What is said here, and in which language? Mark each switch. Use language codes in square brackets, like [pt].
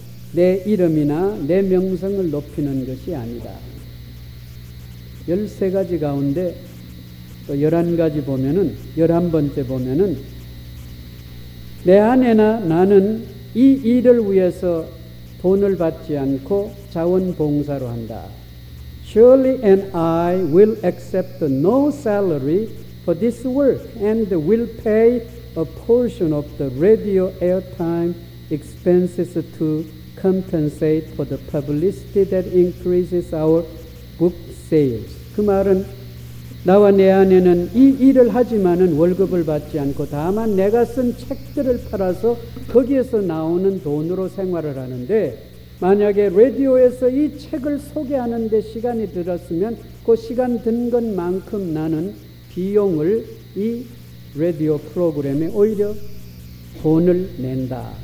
[ko] 내 이름이나 내 명성을 높이는 것이 아니다. 13가지 가운데 또 11가지 보면은 11번째 보면은 내 아내나 나는 이 일을 위해서 돈을 받지 않고 자원봉사로 한다. [en] Surely and I will accept no salary for this work and will pay a portion of the radio airtime expenses to compensate for the publicity that increases our book sales. [ko] 그 말은 나와 내 아내는 이 일을 하지만은 월급을 받지 않고 다만 내가 쓴 책들을 팔아서 거기에서 나오는 돈으로 생활을 하는데 만약에 라디오에서 이 책을 소개하는 데 시간이 들었으면 그 시간 든 것만큼 나는 비용을 이 라디오 프로그램에 오히려 돈을 낸다.